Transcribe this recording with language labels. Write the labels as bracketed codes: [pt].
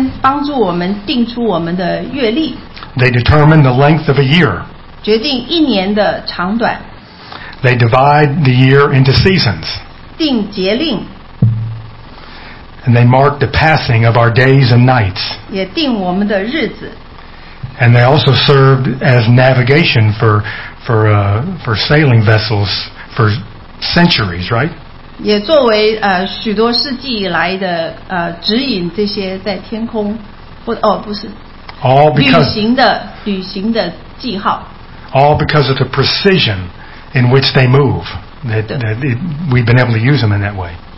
[zh] 所以第四天帮助我们定出我们的月历。 [en] They determine the length of a year. [zh] 决定一年的长短。 [en] They divide the year into seasons. [zh] 定节令。 [en] And they mark the passing of our days and nights. [zh] 也定我们的日子。 [en] And they also served as navigation for sailing vessels for centuries, right? [zh] 也作为, 许多世纪以来的, 指引这些在天空, 不, 哦, 不是, [en] All because, [zh] 旅行的, 旅行的记号。 [en] All because of the precision in which they move. We've been able to use them in that way.